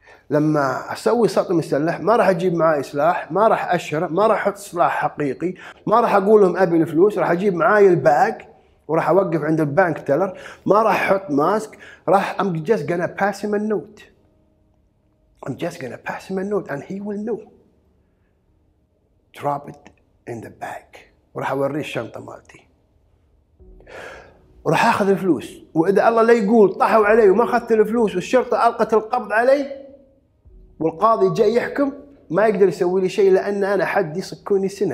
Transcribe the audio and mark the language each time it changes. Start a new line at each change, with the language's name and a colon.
Arabic: لما أسوي سطو مسلح ما راح أجيب معاي سلاح، ما راح أشهر، ما راح أحط سلاح حقيقي، ما راح أقول لهم أبي الفلوس، راح أجيب معاي الباك وراح أوقف عند البنك تيلر، ما راح أحط ماسك، راح
English: I'm just gonna pass him a note. I'm just gonna pass him a note and he will know. Drop it in the bag.
Arabic: وراح أوري الشنطة مالتي وراح أخذ الفلوس، وإذا الله لا يقول طحوا علي وما أخذت الفلوس والشرطة ألقت القبض علي والقاضي جاي يحكم ما يقدر يسوي لي شيء، لأن أنا حدي صكوني 1 سنة.